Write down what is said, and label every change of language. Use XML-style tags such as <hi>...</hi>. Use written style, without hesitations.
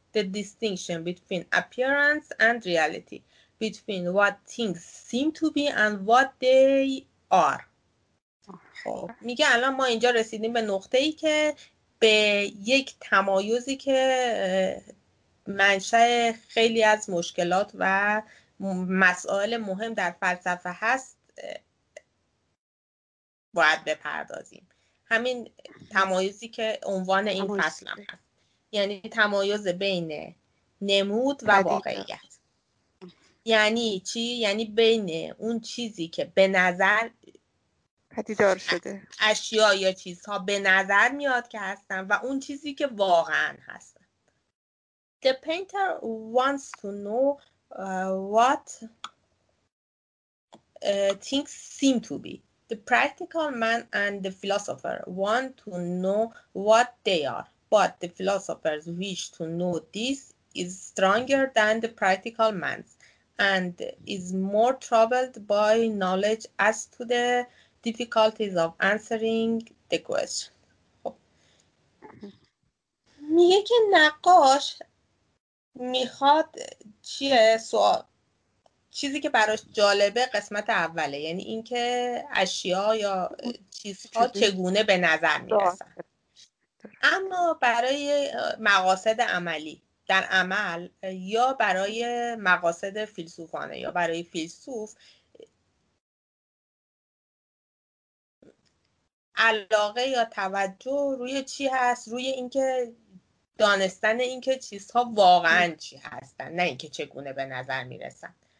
<en>The distinction between appearance and reality. Between what things seem to be and what they are.</en> <fa>خب میگه الان ما اینجا رسیدیم به نقطه ای که به یک تمایزی که منشأ خیلی از مشکلات و مسائل مهم در فلسفه هست باید بپردازیم، همین تمایزی که عنوان این فصل هم هست، یعنی تمایز بین نمود و واقعیت. یعنی چی؟ یعنی بین اون چیزی که به نظر پدیدار شده، اشیا یا چیزها به نظر میاد که هستن، و اون چیزی که واقعا هستن.</fa> <en>The painter wants to know what things seem to be. The practical man and the philosopher want to know what they are, but the philosopher's wish to know this is stronger than the practical man's and is more troubled by knowledge as to the difficulties of answering the question.</en> <fa>میگه که نقاش میخواد چیه؟ سوال، چیزی که براش جالبه قسمت اوله، یعنی اینکه اشیا یا چیزها چگونه به نظر میرسن. اما برای مقاصد عملی در عمل یا برای مقاصد فیلسوفانه یا برای فیلسوف، علاقه یا توجه روی چی هست؟ روی اینکه دانستن اینکه چیزها واقعا چی هستن، نه اینکه چگونه به نظر میرسن.</fa>